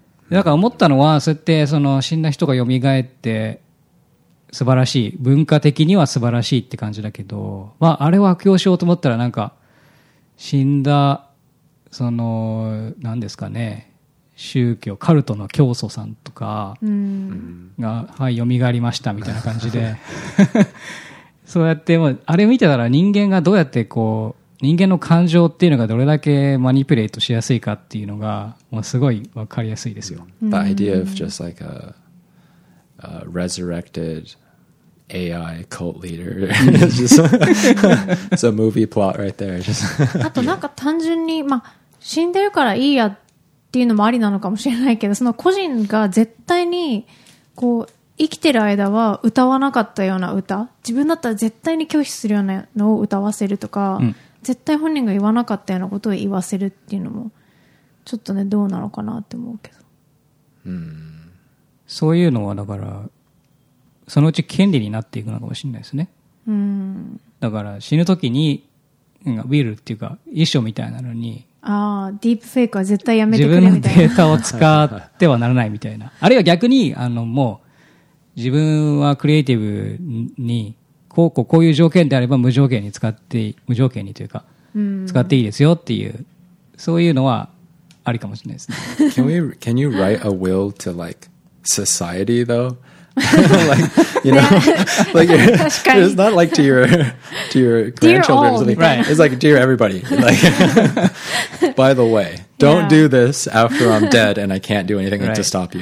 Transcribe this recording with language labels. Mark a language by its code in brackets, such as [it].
[ja] だから思ったのはそうやってその死んだ人が蘇って素晴らしい、文化的には素晴らしいって感じだけど、まあ、あれを悪用しようと思ったらなんか死んだその何ですかね、宗教カルトの教祖さんとかが、うん、はい、蘇りましたみたいな感じでそうやってもあれ見てたら、人間がどうやってこう人間の感情っていうのがどれだけマニピュレートしやすいかっていうのがもうすごい分かりやすいですよ。 [en] The idea of just like a resurrected AI cult leader it's a movie plot right there [ja] あとなんか単純に、まあ、死んでるからいいやっていうのもありなのかもしれないけど、その個人が絶対にこう生きてる間は歌わなかったような歌、自分だったら絶対に拒否するようなのを歌わせるとか、うん、絶対本人が言わなかったようなことを言わせるっていうのもちょっとね、どうなのかなって思うけど、うん、そういうのはだからそのうち権利になっていくのかもしれないですね、うん、だから死ぬ時にウィルっていうか遺書みたいなのに、あ、ディープフェイクは絶対やめてくれみたいな、自分のデータを使ってはならないみたいなあるいは逆にあのもう自分はクリエイティブにこういう条件であれば無条件に使って、無条件にというか、うん、使っていいですよっていう、そういうのはありかもしれないですね。 [en] Can you write a will to like society though? Like, you know, like you're, it's not like to your grandchildren or something. Right. It's like, dear everybody, like, by the way, don't do this after I'm dead and I can't do anything to stop you.